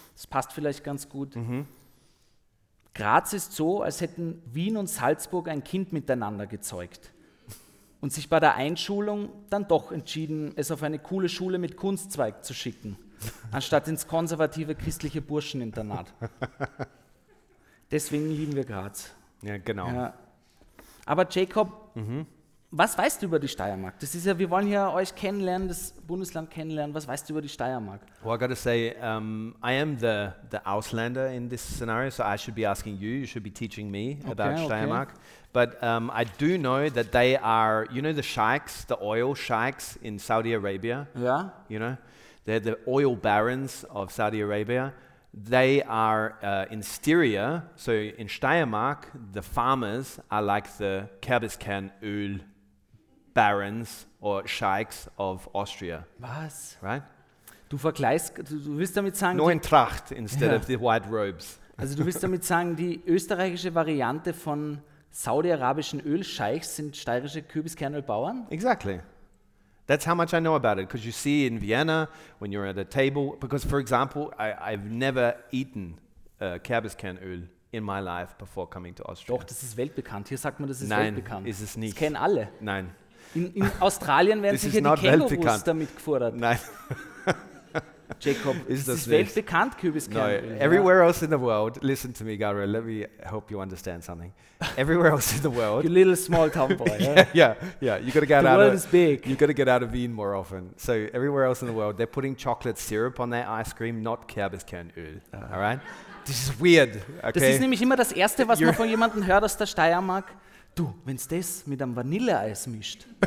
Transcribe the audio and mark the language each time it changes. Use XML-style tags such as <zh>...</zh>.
<de>Das passt vielleicht ganz gut. Mhm. Graz ist so, als hätten Wien und Salzburg ein Kind miteinander gezeugt und sich bei der Einschulung dann doch entschieden, es auf eine coole Schule mit Kunstzweig zu schicken, anstatt ins konservative christliche Burscheninternat. Deswegen lieben wir Graz. Ja, genau. Ja. Aber Jacob, was weißt du über die Steiermark? Das ist ja, wir wollen ja euch kennenlernen, das Bundesland kennenlernen. Was weißt du über die Steiermark?</de> <en>Well, I gotta say, I am the Ausländer in this scenario, so I should be asking you. You should be teaching me about Steiermark. Okay. But I do know that they are, you know, the sheikhs, the oil sheikhs in Saudi Arabia. Yeah. You know, they're the oil barons of Saudi Arabia. They are in Styria, so in Steiermark, the farmers are like the Kerbiskern oil barons or sheikhs of Austria.</en> <de>Was?</de> <en>Right?</en> <de>Du vergleichst, du willst damit sagen... Nur in Tracht</de> <en>instead of the white robes.</en> <de>Also du willst damit sagen, die österreichische Variante von saudi-arabischen Öl-Scheichs sind steirische Kürbiskernölbauern?</de> <en>Exactly. That's how much I know about it, because you see in Vienna, when you're at a table, because for example, I've never eaten Kürbiskernöl in my life before coming to Austria.</en> <de>Doch, das ist weltbekannt. Hier sagt man, das ist weltbekannt. Nein, ist es nicht. Das kennen alle. Nein. In Australien werden sicher die Kängurus weltbekannt. Damit gefordert. Nein. Jacob, ist das ist weltbekannt, Kürbiskernöl.</de> <en>No, everywhere else in the world, listen to me, Gabriel, let me help you understand something. Everywhere else in the world... You little small town boy. Yeah. You gotta get the out world of, is big. You got to get out of Wien more often. So everywhere else in the world, they're putting chocolate syrup on their ice cream, not Kürbiskernöl. All right? This is weird, okay?</en> <de>Das ist nämlich immer das Erste, was man von jemandem hört aus der Steiermark. Du, wenn es das mit einem Vanilleeis mischt.</de>